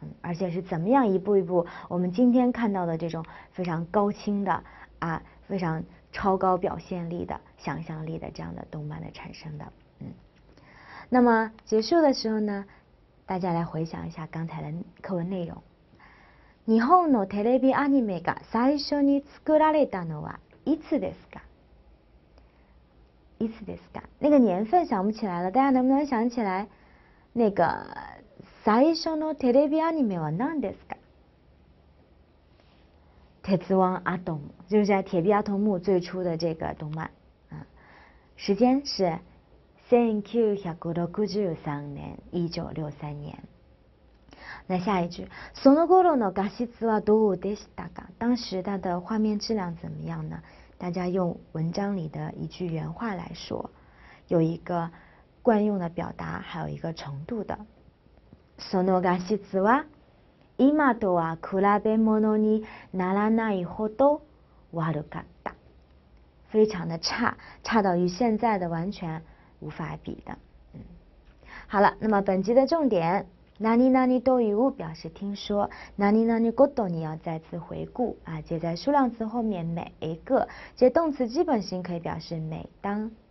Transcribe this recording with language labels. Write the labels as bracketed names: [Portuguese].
[Chinese] 而且是怎么样一步一步我们今天看到的这种非常高清的啊，非常超高表现力的想象力的这样的动漫的产生的。那么结束的时候呢，大家来回想一下刚才的课文内容。 [Japanese] 日本のテレビアニメが最初に作られたのはいつですか？いつですか？ [Chinese] 那个年份想不起来了，大家能不能想起来？那个 [Japanese] 最初のテレビアニメは何ですか？ [Chinese] 鉄腕アトム，就是在铁臂阿童木最初的这个动漫。时间是1963年，1963年。那下一句， [Japanese] その頃の画質はどうでしたか？ [Chinese] 当时它的画面质量怎么样呢？大家用文章里的一句原话来说，有一个惯用的表达，还有一个程度的。 [Japanese] その画質は今とは比べ物にならないほど悪かった。 [Chinese] 非常的差，差到与现在的完全无法比的。好了，那么本集的重点， [Japanese] なになにという [Chinese] 表示听说，なになにごと你要再次回顾啊，接在数量词后面每一个，接动词基本形可以表示每当。